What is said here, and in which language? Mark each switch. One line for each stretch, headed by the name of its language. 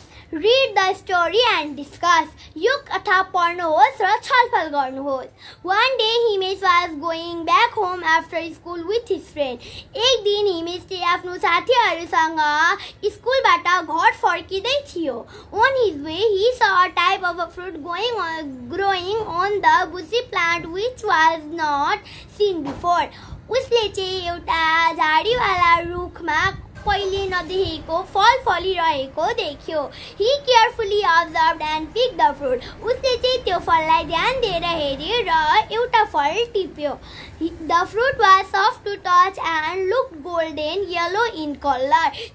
English: Read the story and discuss.
Nepali: यो कथा पढ्नुहोस् र छलफल गर्नुहोस्.
English: One day Himesh was going back home after school with his friend.
Nepali: एक दिन हिमेश चाहिँ आफ्नो साथीहरूसँग स्कुलबाट घर फर्किँदै थियो.
English: On his way he saw a type of a fruit growing on the bushy plant which was not seen before.
Nepali: उसले चाहिँ एउटा झाडीवाला रुखमा पहिले नदेखेको फल फलिरहेको देख्यो.
English: He carefully observe and pick the fruit.
Nepali: उसले चाहिँ त्यो फललाई ध्यान दिएर हेऱ्यो र एउटा फल टिप्यो.
English: The fruit was soft to touch and look golden yellow in colour.